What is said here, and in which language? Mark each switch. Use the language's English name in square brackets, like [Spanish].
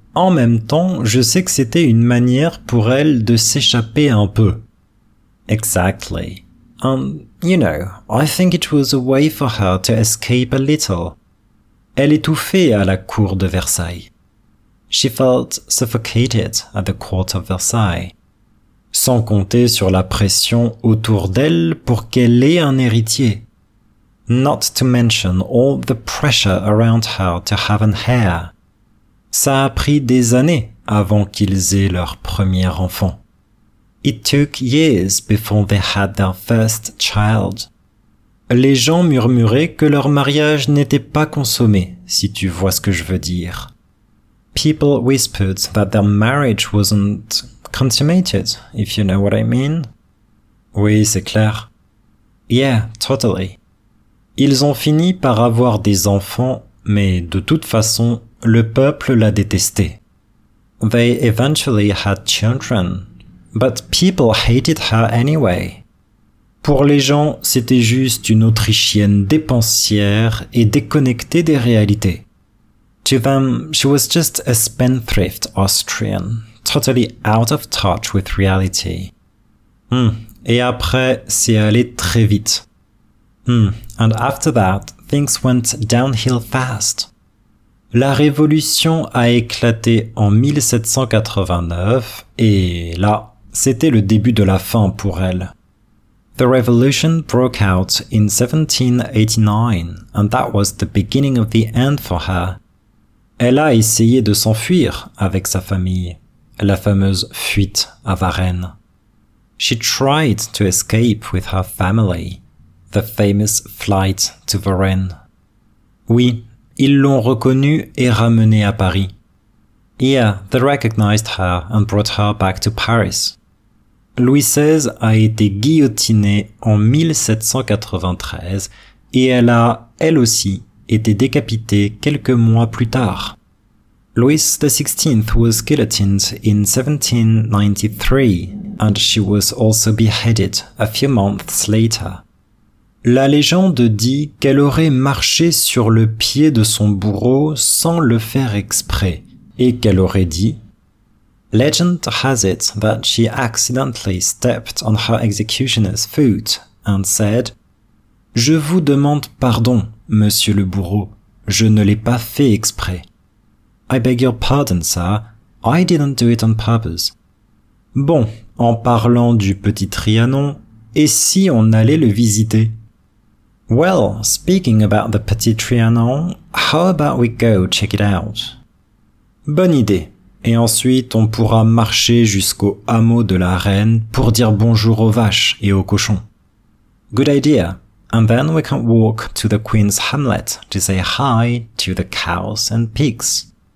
[French] En même temps, je sais que c'était une manière pour elle de s'échapper un peu. [English] Exactly. You know, I think it was a way for her to escape a little. [French] Elle étouffait à la cour de Versailles. [English] She felt suffocated at the court of Versailles. [French] Sans compter sur la pression autour d'elle pour qu'elle ait un héritier. [English] Not to mention all the pressure around her to have an heir. [French] Ça a pris des années avant qu'ils aient leur premier enfant. [English] It took years before they had their first child. [French] Les gens murmuraient que leur mariage n'était pas consommé, si tu vois ce que je veux dire. [English] People whispered that their marriage wasn't consummated, if you know what I mean. [French] Oui, c'est clair. [English] Yeah, totally. [French] Ils ont fini par avoir des enfants, mais de toute façon, le peuple l'a détesté. [English] They eventually had children, but people hated her anyway. [French] Pour les gens, c'était juste une Autrichienne dépensière et déconnectée des réalités. [English] To them, she was just a spendthrift Austrian, totally out of touch with reality. [French] Et après, c'est allé très vite. [English] And after that, things went downhill fast. [French] La révolution a éclaté en 1789, et là, c'était le début de la fin pour elle. [English] The revolution broke out in 1789, and that was the beginning of the end for her. [French] Elle a essayé de s'enfuir avec sa famille, la fameuse fuite à Varennes. [English] She tried to escape with her family, the famous flight to Varennes. [French] Oui, ils l'ont reconnue et ramenée à Paris. [English] Yeah, they recognized her and brought her back to Paris. [French] Louis XVI a été guillotiné en 1793 et elle a, elle aussi, été décapitée quelques mois plus tard. [English] Louis XVI was guillotined in 1793 and she was also beheaded a few months later. [French] La légende dit qu'elle aurait marché sur le pied de son bourreau sans le faire exprès et qu'elle aurait dit: [English] Legend has it that she accidentally stepped on her executioner's foot and said, [French] Je vous demande pardon, monsieur le bourreau, je ne l'ai pas fait exprès. [English] I beg your pardon, sir, I didn't do it on purpose. [French] Bon, en parlant du petit Trianon, et si on allait le visiter? [English] Well, speaking about the petit Trianon, how about we go check it out? [French] Bonne idée. Et ensuite, on pourra marcher jusqu'au hameau de la reine pour dire bonjour aux vaches et aux cochons. [English] Good idea. And then we can walk to the queen's hamlet to say hi to the cows and pigs.